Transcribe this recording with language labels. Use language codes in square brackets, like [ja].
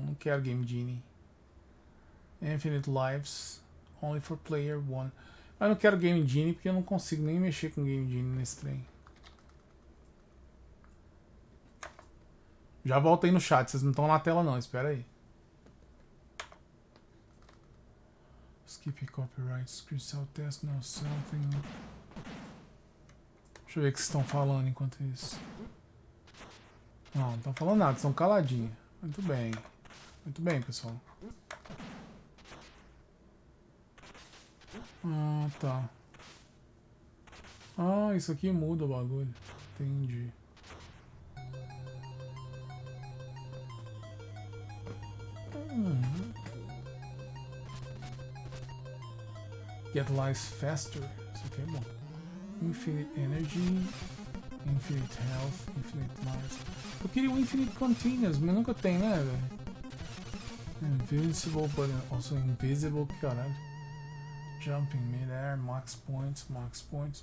[pt] Não quero Game Genie. [en] Infinite Lives. Only for Player 1. [pt] Mas não quero Game Genie porque eu não consigo nem mexer com Game Genie nesse trem. Já volto aí no chat. Vocês não estão na tela não. Espera aí. [en] Skip copyright, screenshot test, no something. [pt] Deixa eu ver o que vocês estão falando enquanto isso. Não estão falando nada, estão caladinhos. Muito bem. Muito bem, pessoal. Ah, tá. Ah, isso aqui muda o bagulho. Entendi. [en] Get life faster. [pt] Isso aqui é bom. [en] Infinite energy, infinite health, infinite life. [pt] Eu queria o infinite containers, mas nunca tem, né, velho? [en] Invincible, but also invisible. [pt] Que caralho. [en] Jump in midair, max points, max points.